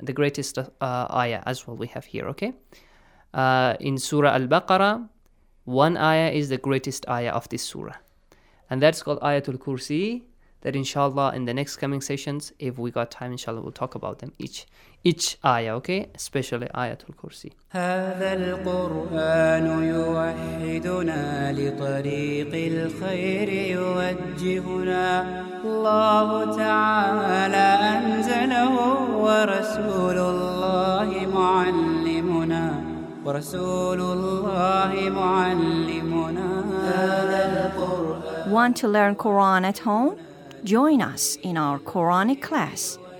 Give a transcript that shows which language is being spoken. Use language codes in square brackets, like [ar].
[en] The greatest ayah as well we have here, okay? In Surah Al-Baqarah, one ayah is the greatest ayah of this surah. And that's called Ayatul Kursi, that inshallah in the next coming sessions, if we got time, inshallah, we'll talk about them, each ayah, okay? Especially Ayatul Kursi. [ar] هذا القرآن يوحدنا لطريق الخير يوجهنا الله تعالى أنزله ورسول الله معلمنا ورسول الله معلمنا هذا القرآن. [en] Want to learn Quran at home? Join us in our Quranic class.